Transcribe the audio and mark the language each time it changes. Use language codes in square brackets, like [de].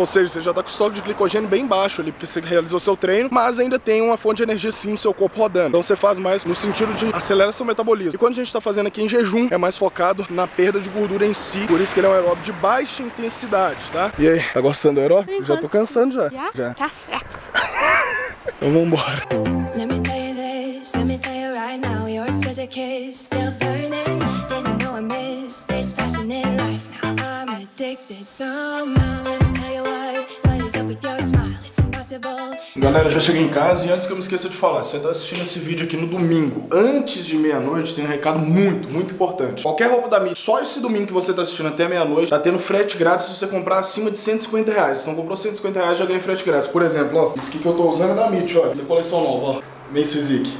[pt] Ou seja, você já tá com o estoque de glicogênio bem baixo ali, porque você realizou seu treino, mas ainda tem uma fonte de energia, sim, no seu corpo rodando. Então você faz mais no sentido de acelerar seu metabolismo. E quando a gente tá fazendo aqui em jejum, é mais focado na perda de gordura em si. Por isso que ele é um aeróbio de baixa intensidade, tá? E aí, tá gostando do aeróbio? Enquanto, já tô cansando já. Já? Tá fraco. Então vambora. [en] Let me tell you this, let me tell you right now. Your exquisite kiss still burning. Didn't know I missed this passion in life. Now I'm addicted somehow. Let me tell you why. What is up with your smile? It's impossible. [pt] Galera, já cheguei em casa e antes que eu me esqueça de falar, se você tá assistindo esse vídeo aqui no domingo, antes de meia-noite, tem um recado muito, muito importante. Qualquer roupa da Mix, só esse domingo que você tá assistindo até meia-noite, tá tendo frete grátis se você comprar acima de R$150. Então comprou R$150, já ganha frete grátis. Por exemplo, ó, isso aqui que eu tô usando é da Mix, ó, de coleção nova, ó. Mix Physique.